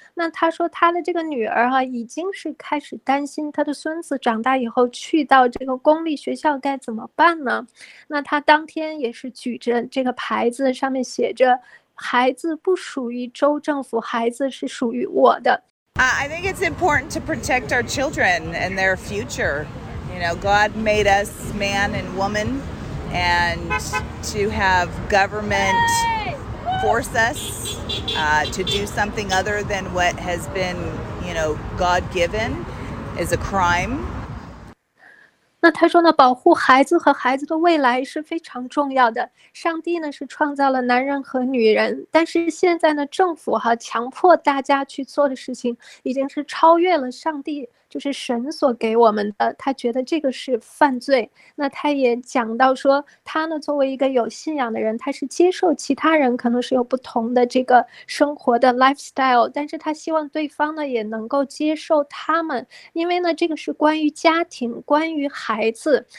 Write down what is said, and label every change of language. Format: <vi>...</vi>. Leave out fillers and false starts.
<zh>那她说她的这个女儿哈，已经是开始担心她的孙子长大以后去到这个公立学校该怎么办呢？那她当天也是举着这个牌子，上面写着孩子不属于州政府，孩子是属于我的。</zh> <en>I think it's important to protect our children and their future. You know, God made us man and woman, and to have government force us to do something other than what has been, you know, God-given is a crime.</en> <zh>那他说呢，保护孩子和孩子的未来是非常重要的。上帝呢是创造了男人和女人，但是现在呢，政府哈强迫大家去做的事情已经是超越了上帝，就是神所给我们的。他觉得这个是犯罪。那他也讲到说，他呢作为一个有信仰的人，他是接受其他人可能是有不同的这个生活的 lifestyle， 但是他希望对方呢也能够接受他们，因为呢这个是关于家庭，关于孩子。</zh>